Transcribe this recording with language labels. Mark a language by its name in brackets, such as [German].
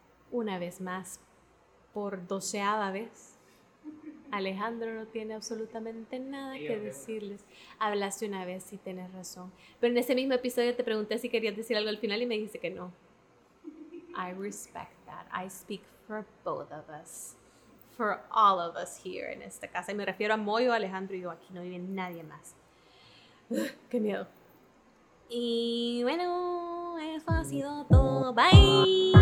[Spanish] Una vez más, por doceava vez, Alejandro no tiene absolutamente nada que decirles. Hablaste una vez y tenés razón. Pero en ese mismo episodio te pregunté si querías decir algo al final y me dijiste que no. [English] I respect that. I speak for both of us, for all of us here [Spanish] en esta casa. Y me refiero a Moyo, Alejandro y yo. Aquí no vive nadie más. ¡Qué miedo! Y bueno, eso ha sido todo. ¡Bye!